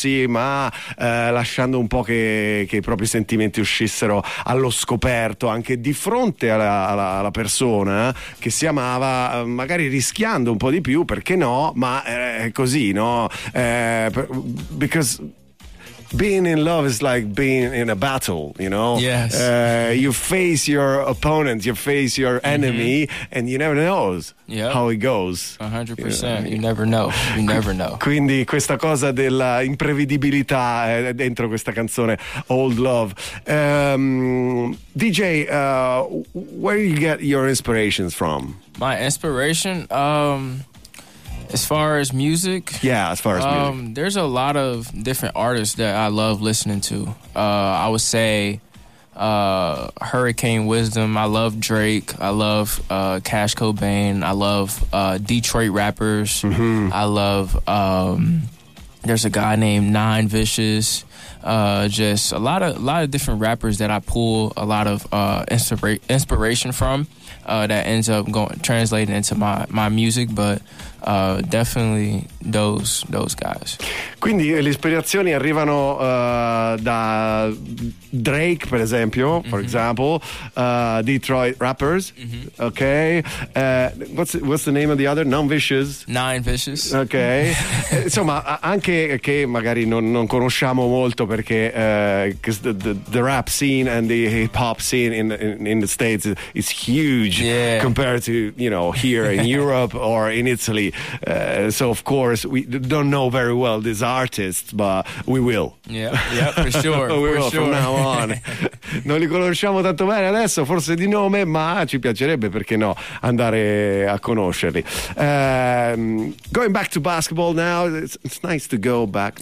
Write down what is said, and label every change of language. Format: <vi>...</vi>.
<it>Sì, ma lasciando un po' che i propri sentimenti uscissero allo scoperto anche di fronte alla persona che si amava, magari rischiando un po' di più, perché no, ma così, no?</it> <en>Because being in love is like being in a battle, you know? Yes. You face your opponent, you face your enemy, and you never know how it goes. 100%. You never know. You never know.</en> <it>Quindi questa cosa della imprevedibilità è dentro questa canzone, Old Love.</it> <en>DJ, where do you get your inspirations from? My inspiration? As far as music? Yeah, as far as music. There's a lot of different artists that I love listening to. I would say Hurricane Wisdom. I love Drake. I love Cash Cobain. I love Detroit rappers. Mm-hmm. I love, there's a guy named Nine Vicious. Just a lot of different rappers that I pull a lot of inspiration from. That ends up going translating into my music, but definitely those guys.</en> <it>Quindi le ispirazioni arrivano da Drake, per esempio,</it> <en>for example, Detroit rappers. Mm-hmm. Okay, what's the name of the other? Nine Vicious.</en> <it>Okay, insomma, anche che magari non conosciamo molto perché</it> <en>the rap scene and the hip hop scene in the States is huge. Yeah. Compared to, you know, here in Europe or in Italy. So, of course, we don't know very well these artists, but we will. Yeah, for sure. We will from now on.</en> <it>Non li conosciamo tanto bene adesso, forse di nome, ma ci piacerebbe, perché no, andare a conoscerli.</it> <en>Going back to basketball now, it's nice to go back.</en>